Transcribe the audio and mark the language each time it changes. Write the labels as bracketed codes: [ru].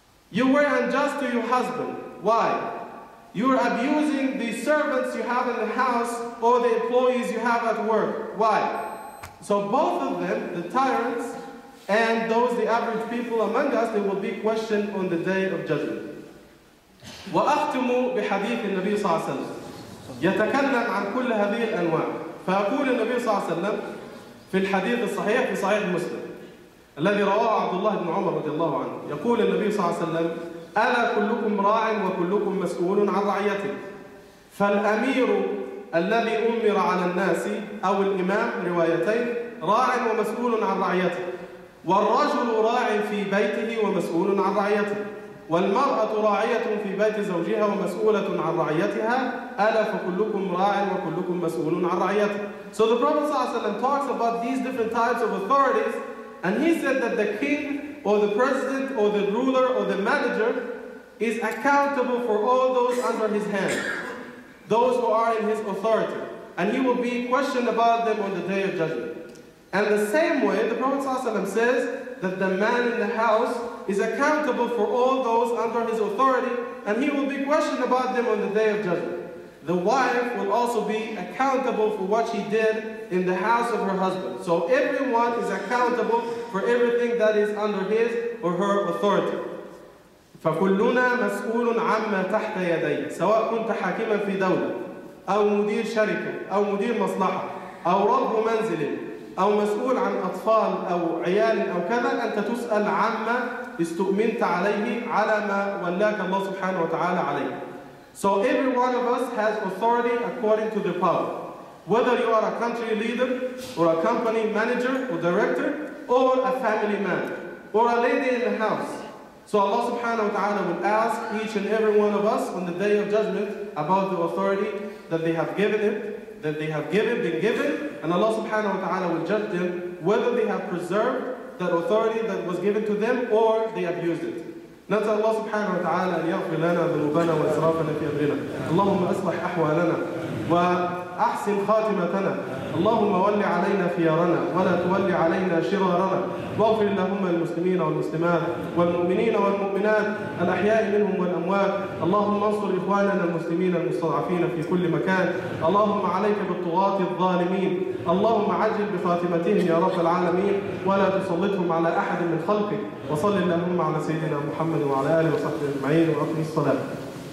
[en] You were unjust to your husband. Why? You were abusing the servants you have in the house or the employees you have at work. Why? So both of them, the tyrants and those, the average people among us, they will be questioned on the day of judgment. [ar] وأختم بحديث النبي صلى الله عليه وسلم يتكلم عن كل هذه الأنواع فأقول النبي صلى الله عليه وسلم في الحديث الصحيح في صحيح مسلم الذي رواه عبد الله بن عمر رضي الله عنه يقول النبي صلى الله عليه وسلم ألا كلكم راع وكلكم مسؤول عن رعيته فالأمير الذي أمر على الناس أو الإمام روايتين راع ومسؤول عن رعيته والرجل راع في بيته ومسؤول عن رعيته والمرأة راعية في بيت زوجها ومسؤولة عن رعيتها ألا فكلكم راع وكلكم مسؤول عن رعيته. [en] So the Prophet صلى الله عليه وسلم talks about these different types of authorities and he said that the king or the president or the ruler or the manager is accountable for all those under his hand, those who are in his authority, and he will be questioned about them on the day of judgment. And the same way the Prophet صلى الله عليه وسلم says that the man in the house is accountable for all those under his authority, and he will be questioned about them on the day of judgment. The wife will also be accountable for what she did in the house of her husband. So everyone is accountable for everything that is under his or her authority. [ar] فَكُلُّنَا مَسْئُولٌ عَمَّا تَحْتَ يَدَيْهِ سواء كنت حاكماً في دولة أو مدير شركة أو مدير مصلحة أو رب منزل أو مسؤول عن أطفال أو عيال أو كذا أنت تسأل عما استؤمنت عليه على ما ولاك الله سبحانه وتعالى عليه. [en] So every one of us has authority according to the power. Whether you are a country leader or a company manager or director or a family man or a lady in the house. So Allah subhanahu wa ta'ala will ask each and every one of us on the day of judgment about the authority that they have given him, that they have given, been given, and Allah subhanahu wa ta'ala will judge them whether they have preserved that authority that was given to them or they abused it. [ar] نسأل الله سبحانه وتعالى أن يغفر لنا ذنوبنا وإسرافنا في أمرنا اللهم أصلح أحوالنا وأحسن خاتمتنا اللهم ول علينا خيارنا ولا تول علينا شرارنا واغفر اللهم المسلمين والمسلمات والمؤمنين والمؤمنات الأحياء منهم والأموات اللهم انصر إخواننا المسلمين المستضعفين في كل مكان اللهم عليك بالطغاة الظالمين اللهم عجل بخاتمتهم يا رب العالمين ولا تسلطهم على أحد من خلقك وصل اللهم على سيدنا محمد وعلى آله وصحبه أجمعين وأقم الصلاة